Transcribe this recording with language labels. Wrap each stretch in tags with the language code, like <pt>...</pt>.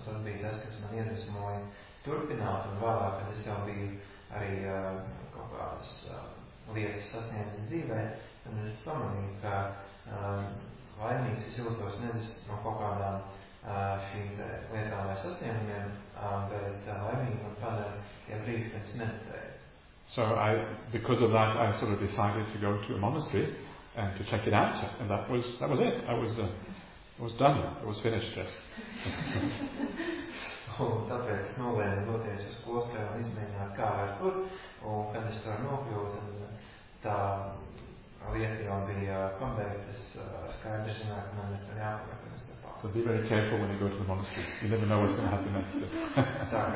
<lv>Un tas bija tas, kas man iedvesmoja turpināt, un vēlāk, kad es jau biju arī kaut kādas lietas sasniedzis dzīvē, tad es pamanīju, ka laimīgs es jūtos nevis no kaut kādām šīm lietām vai sasniegumiem, bet laimīgi man padara tie brīži, kad es meditēju.</lv> <en>So I, because of that, I sort of decided to go to a monastery and to check it out, and that was it. I was done. I was finished. Yes.</en> <lv>Tāpēc es nolēmu doties uz klostru un izmēģināt kā ar tur, un kad es tur nokļuvu, tad tā lieta jau bija pabeigta. Es skaidri zināju, ka man ir tur jāpaliek.</lv> <en>So be very careful when you go to the monastery. You never know what's going to happen next.</en>